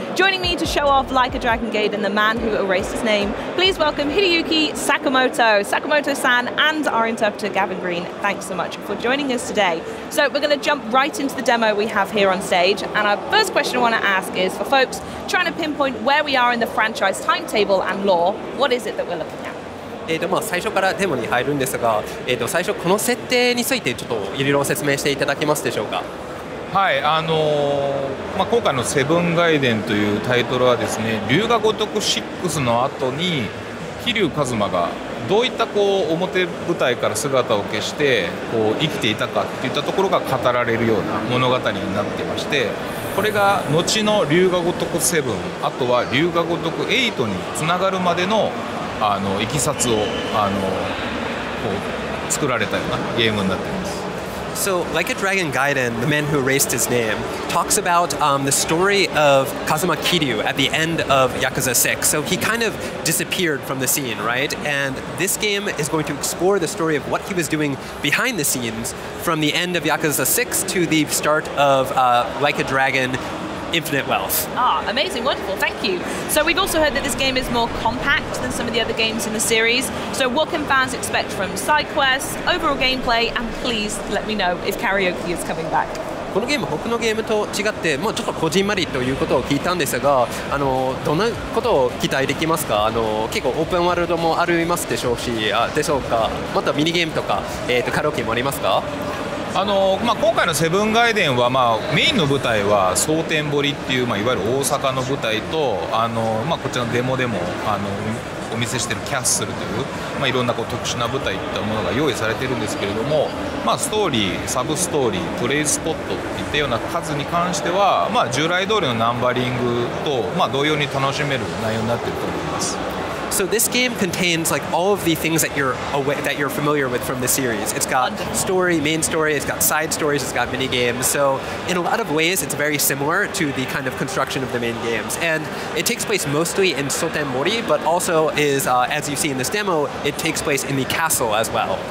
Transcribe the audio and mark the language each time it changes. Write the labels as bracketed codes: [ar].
[en] Joining me to show off Like a Dragon Gate and the man who erased his name, please welcome Hideyuki Sakamoto, Sakamoto-san, and our interpreter Gavin Green. Thanks so much for joining us today. So we're going to jump right into the demo we have here on stage, and our first question I want to ask is for folks trying to pinpoint where we are in the franchise timetable and lore, what is it that we're looking at? [ja] 最初からデモに入るんですが、最初この設定についてちょっといろいろ説明していただけますでしょうか？はい、今回のセブンガイデンというタイトルはですね、龍が如く6の後に桐生一馬がどういったこう表舞台から姿を消してこう生きていたかっていったところが語られるような物語になってまして、これが後の龍が如く7、あとは龍が如く8につながるまでの、あのいきさつをあのこう作られたようなゲームになっています。 [en] So, like a Dragon Gaiden, the man who erased his name, talks about the story of Kazuma Kiryu at the end of Yakuza 6. So he kind of disappeared from the scene, right? And this game is going to explore the story of what he was doing behind the scenes from the end of Yakuza 6 to the start of Like a Dragon Infinite Wealth. Ah, amazing, wonderful, thank you. So we've also heard that this game is more compact than some of the other games in the series. So what can fans expect from side quests, overall gameplay, and please let me know if karaoke is coming back. [ja] このゲーム他のゲームと違って、まあ、ちょっとこじんまりということを聞いたんですが、あのどんなことを期待できますか？あの結構オープンワールドもありますでしょうし、あ、でしょうか？またミニゲームとか、カラオケもありますか？あのまあ、今回のセブンガイデンは、まあ、メインの舞台は蒼天堀っていう、まあ、いわゆる大阪の舞台と、あの、まあ、こちらのデモでもあのお見せしているキャッスルという、まあ、いろんなこう特殊な舞台といったものが用意されているんですけれども、まあ、ストーリー、サブストーリー、プレイスポットといったような数に関しては、まあ、従来通りのナンバリングと、まあ、同様に楽しめる内容になっていると思います。 [en] So this game contains like all of the things that you're aware, that you're familiar with from the series. It's got story, main story, it's got side stories, it's got mini games. So in a lot of ways, it's very similar to the kind of construction of the main games. And it takes place mostly in Sotenmori, but also is, as you see in this demo, it takes place in the castle as well.